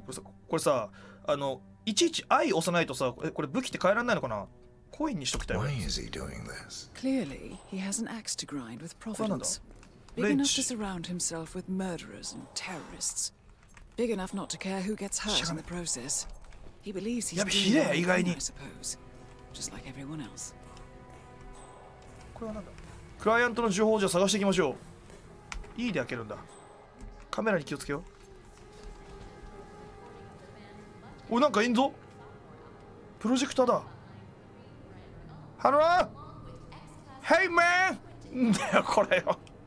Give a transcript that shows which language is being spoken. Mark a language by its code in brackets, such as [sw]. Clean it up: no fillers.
[ja] これさ、あのいちいち I 押さないとさ、これ武器って変えられないのかな？コインにしときたい。 [en] Why is he doing this? Clearly, he has an axe to grind with Providence. Big enough to surround himself with murderers and terrorists. Big enough not to care who gets hurt in the process. He believes he's doing the right thing, I suppose. Just like everyone else. [ja] これはなんだ。クライアントの情報を探していきましょう。E で開けるんだ。カメラに気をつけよう。おい、なんかいんぞ。プロジェクターだ。ハロー [en] Hey man! [ja] だよこれよ。